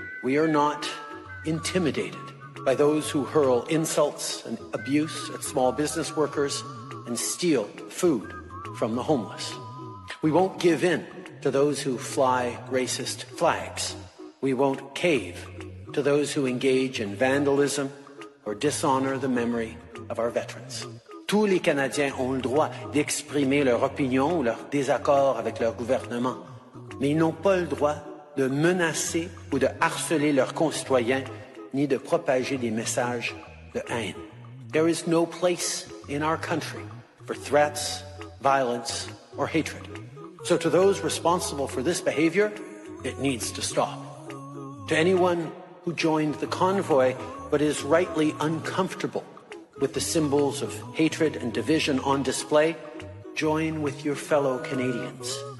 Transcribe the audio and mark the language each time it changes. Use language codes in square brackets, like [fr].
[en] We are not intimidated by those who hurl insults and abuse at small business workers and steal food from the homeless. We won't give in to those who fly racist flags. We won't cave to those who engage in vandalism or dishonor the memory of our veterans. [fr] Tous les Canadiens ont le droit d'exprimer leur opinion ou leur désaccord avec leur gouvernement, mais ils n'ont pas le droit de menacer ou de harceler leurs concitoyens ni de propager des messages de haine. [en] There is no place in our country for threats, violence, or hatred. So to those responsible for this behavior, it needs to stop. To anyone who joined the convoy but is rightly uncomfortable with the symbols of hatred and division on display, join with your fellow Canadians.